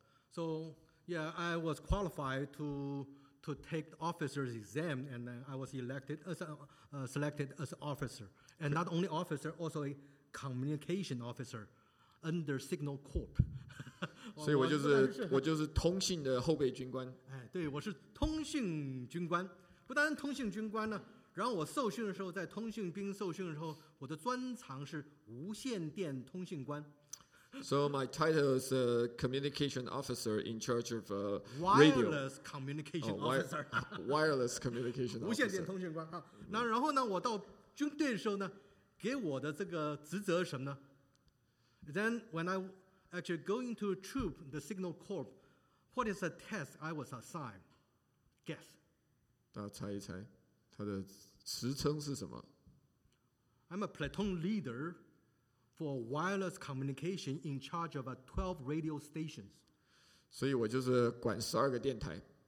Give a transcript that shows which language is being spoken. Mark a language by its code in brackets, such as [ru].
[en] So yeah, I was qualified to take the officer's exam, and then I was elected as selected as an officer, and not only officer, also a communication officer. Under Signal Corp. [zh] 所以我就是通信的后备军官。哎，对，我是通信军官。不单通信军官呢，然后我受训的时候，在通信兵受训的时候，我的专长是无线电通信官。 [en] So my title is a communication officer in charge of a radio. Wireless communication officer. Wireless communication officer. [zh] 无线电通信官啊。那然后呢，我到军队的时候呢，给我的这个职责什么呢？ [en] Then when I actually go into a troop, the Signal Corp, what is the task I was assigned? Guess. [zh] 大家猜一猜，他的职称是什么 [en] ？I'm a platoon leader for wireless communication in charge of 12 radio stations. [zh] 所以我就是管12个电台。